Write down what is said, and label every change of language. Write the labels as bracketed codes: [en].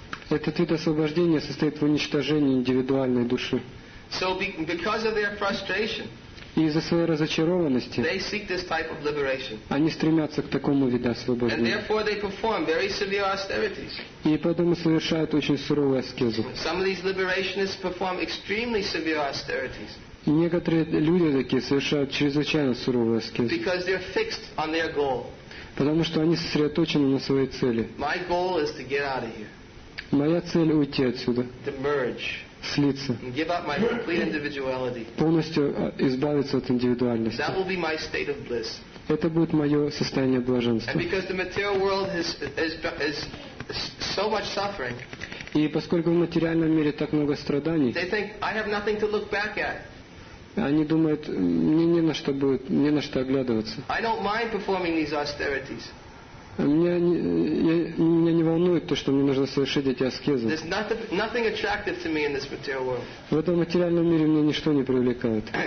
[ru] Этот вид освобождения состоит в уничтожении индивидуальной души. [en] So because of their frustration. [ru] И из-за своей разочарованности. [en] They seek this type of liberation. [ru] Они стремятся к такому виду освобождения. [en] And therefore they perform very severe austerities. [ru] И поэтому совершают очень суровые аскезы. [en] Some of these liberationists perform extremely severe austerities. [ru] И некоторые люди такие совершают чрезвычайно суровые аскезы. [en] Because they're fixed on their goal. [ru] Потому что они сосредоточены на своей цели. [en] My goal is to get out of here. [ru] Моя цель уйти отсюда. [en] To merge. [ru] Слиться. [en] Give up my complete individuality. [ru] Полностью избавиться от индивидуальности. [en] That will be my state of bliss. [ru] Это будет мое состояние блаженства. [en] And because the material world is so much suffering. [ru] И поскольку в материальном мире так много страданий. [en] They think I have nothing to look back at. [ru] Они думают, мне не на что будет, не на что оглядываться. [en] I don't mind performing these austerities. [ru] Меня не волнует то, что мне нужно совершить эти аскезы. [en] Nothing attractive to me in this material world. [ru] В этом материальном мире меня ничто не привлекает.